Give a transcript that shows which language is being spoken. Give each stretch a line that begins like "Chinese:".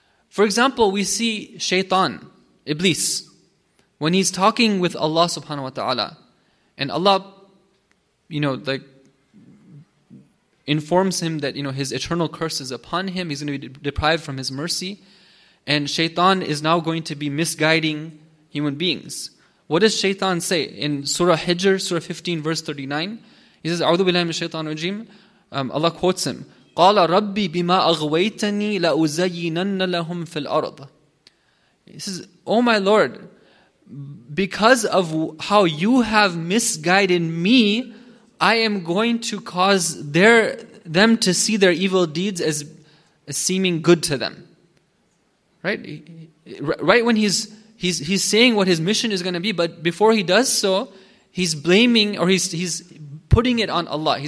English: For example, we see Shaytan, Iblis, when he's talking with Allah subhanahu wa ta'ala, and Allah, you know, like, informs him that, you know, his eternal curse is upon him, he's going to be deprived from his mercy, and Shaytan is now going to be misguiding human beings. What does Shaytan say in Surah Hijr, Surah 15, verse 39? He says,
Arabic: أَعُوذُ بِاللَّهِ مِنَ الشَّيْطَانِ الرَّجِيمِ.
English: Allah quotes him,
Arabic: قَالَ رَبِّي بِمَا أَغْوَيْتَنِي لَأُزَيِّنَنَّ لَهُمْ فِي الْأَرْضِ.
English: He says, oh my Lord, because of how you have misguided me, I am going to cause them to see their evil deeds as seeming good to them. Right? Right when he's saying what his mission is going to be, but before he does so, he's blaming, or he's putting it on Allah.